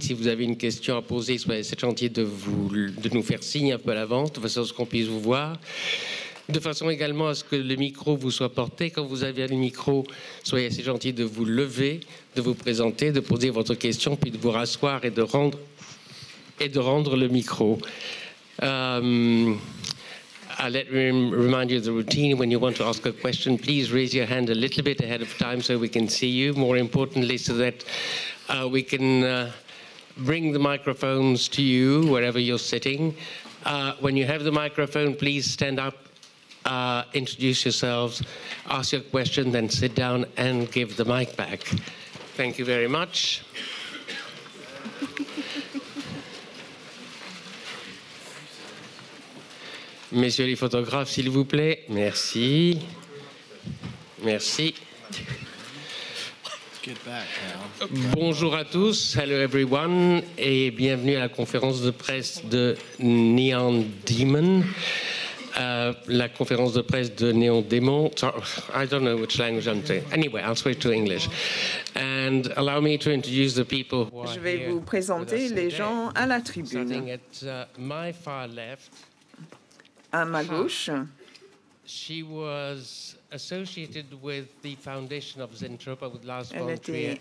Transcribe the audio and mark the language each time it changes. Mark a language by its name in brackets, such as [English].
[French] Si vous avez une question à poser, soyez gentils de nous faire signe un peu à l'avance, de façon à ce qu'on puisse vous voir. De façon également à ce que le micro vous soit porté. Quand vous avez le micro, soyez assez gentil de vous lever, de vous présenter, de poser votre question, puis de vous rasseoir et de rendre le micro. [English] I'll let me remind you of the routine. When you want to ask a question, please raise your hand a little bit ahead of time so we can see you. More importantly, so that we can bring the microphones to you wherever you're sitting. When you have the microphone, please stand up. Introduce yourselves, ask your question, then sit down and give the mic back. Thank you very much. [French] Messieurs les photographes, s'il vous plaît. Merci. Merci. Bonjour à tous. [English] Hello everyone. [French] Et bienvenue à la conférence de presse de Neon Demon. La conférence de presse de Neon Demon. [English] I don't know which language I'm saying. Anyway, I'll switch to English. And allow me to introduce the people who are here. [French] Je vais vous présenter les gens à la tribune. [English] Starting at my far left. [French] À ma gauche. [English] She was associated with the foundation of Zentropa with Lars von Trier.